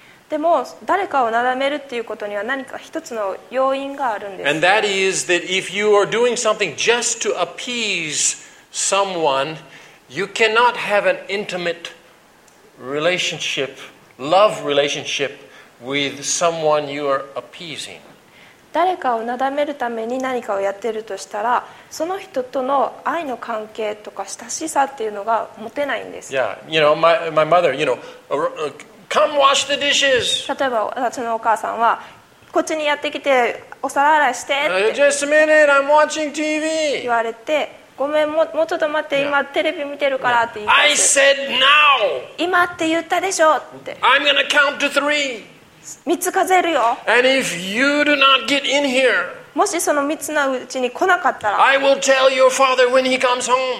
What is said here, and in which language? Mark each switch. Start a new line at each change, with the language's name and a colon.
Japanese: でも誰かをなだめるっていうことには何か一つの要因があるんです。
English: And that is that if you are doing something just to appease someone, you cannot have an intimate relationship, love relationship. With someone you are appeasing.
Japanese: 誰かをなだめるために何かをやってるとしたら、その人との愛の関係とか親しさっていうのが持てないんです。
English: Yeah, you know, my mother, you know, come wash the dishes.
Japanese: 例えば私のお母さんはこっちにやってきてお皿洗いしてって。
English: Just a minute, I'm watching TV.
Japanese: 言われて、ごめんもうちょっと待って、yeah. 今テレビ見てるからって言って。
English: I said now.
Japanese: 今って言ったでしょって。
English: I'm gonna count to three.
Japanese: 3つ数えるよ。
English: And if you do not get in here,
Japanese: もしその3つのうちに来なかったら、
English: I will tell your father when he comes home.